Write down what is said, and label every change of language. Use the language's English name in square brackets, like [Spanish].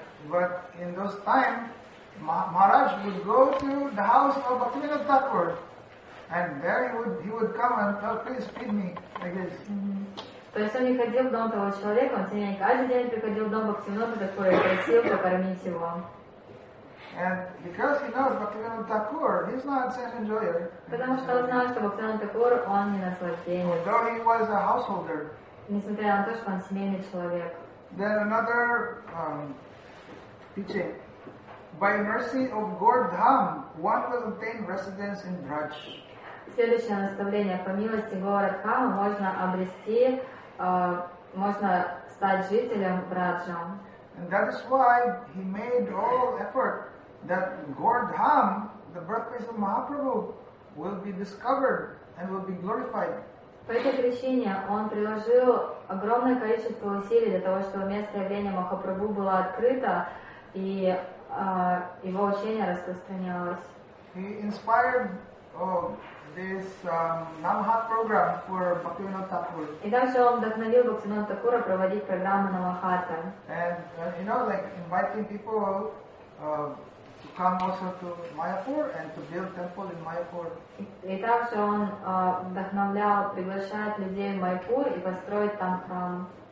[English] But in those times, Maharaj would go to the house of Bhaktivinoda Thakur, and there he would come and tell, please feed me, like this. [Russian] То есть он не ходил в дом того человека, он тем не менее каждый день приходил в дом Бхактивинода Такура и просил покормить его. [English] And because he knows Bhaktivinoda Thakur, he's not a sense enjoyer. [Russian] Потому что он знал, что Бхактивинода Такур, он не наслаждение. [English] Although he was a householder. [Russian] Несмотря на то, что он семейный человек. [English] Then another teaching. By mercy of Gordham, one will obtain residence in Braj. [Russian] Следующее наставление. По милости Гордхама можно обрести, можно стать жителем Браджа. [English] And that is why he made all effort that Gordham, the birthplace of Mahaprabhu, will be discovered and will be glorified. [Russian] По этой причине он приложил огромное количество усилий для того, чтобы место явления Махапрабху было открыто и его учение распространялось. [English] He inspired this Namahat program for Bhaktivinoda Thakur. [Russian] И также он вдохновил Бхактивинода Такура проводить программу Намахата. [English] And you know, like inviting people to come also to Mayapur and to build temple in Mayapur. [Russian] И также он вдохновлял, приглашает людей в Майпур и построить там храм.